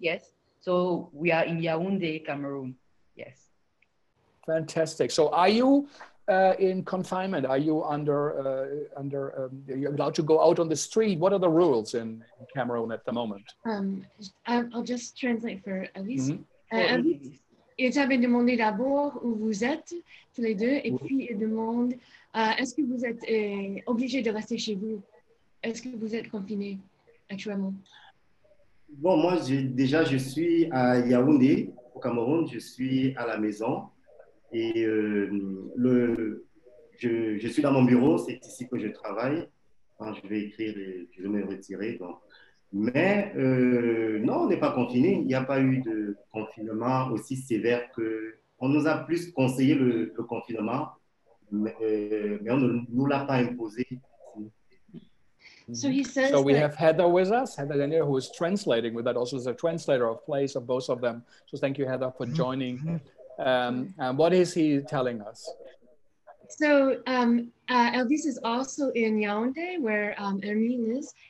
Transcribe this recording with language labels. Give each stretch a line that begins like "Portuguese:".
English: Yes. So we are in Yaoundé, Cameroon. Yes. Fantastic. So are you in confinement? Are you are you allowed to go out on the street? What are the rules in Cameroon at the moment? I'll just translate for Elise.
French: Elise, il t'avait demandé d'abord où vous êtes, tous les deux, et puis il demande, est-ce que vous êtes obligé de rester chez vous? Est-ce que vous êtes confiné actuellement? Bon, moi, je suis à Yaoundé. Au Cameroun, je suis à la maison et je suis dans mon bureau, c'est ici que je travaille. Quand je vais écrire, je vais me retirer. Donc. Mais non, on n'est pas confiné. Il n'y a pas eu de confinement aussi sévère que... On nous a plus conseillé le confinement, mais on ne nous l'a pas imposé.
English: So we have Heather with us, Heather Denyer, who is translating with that, also is a translator of plays of both of them. So thank you, Heather, for joining. And what is he telling us? So Elvis is also in Yaoundé, where Hermine is.